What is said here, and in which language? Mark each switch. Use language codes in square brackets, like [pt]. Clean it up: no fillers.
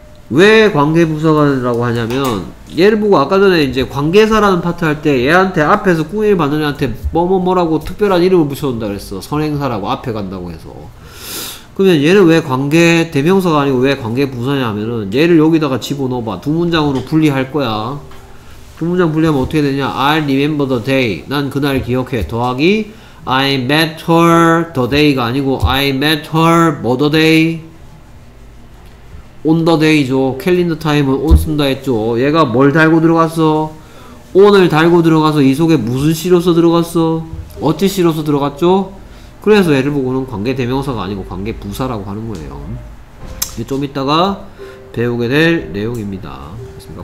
[ko] 왜 관계부사라고 하냐면 얘를 보고 아까 전에 이제 관계사라는 파트 할 때 얘한테 앞에서 꾸밈을 받는 애한테 뭐뭐뭐라고 특별한 이름을 붙여준다 그랬어. 선행사라고 앞에 간다고 해서. 그러면 얘는 왜 관계 대명사가 아니고 왜 관계부사냐 하면은 얘를 여기다가 집어넣어봐. 두 문장으로 분리할 거야. 두 문장 분리하면 어떻게 되냐. [en] I remember the day. [ko] 난 그날 기억해. [en] 더하기 I met her the day가 아니고 I met her what the day? On the day죠. [ko] 캘린더 타임은 on 쓴다 했죠. 얘가 뭘 달고 들어갔어? on을 달고 들어가서 이 속에 무슨 시로서 들어갔어? 어찌 시로서 들어갔죠? 그래서 얘를 보고는 관계 대명사가 아니고 관계 부사라고 하는 거예요. 이제 좀 이따가 배우게 될 내용입니다. 그렇습니까?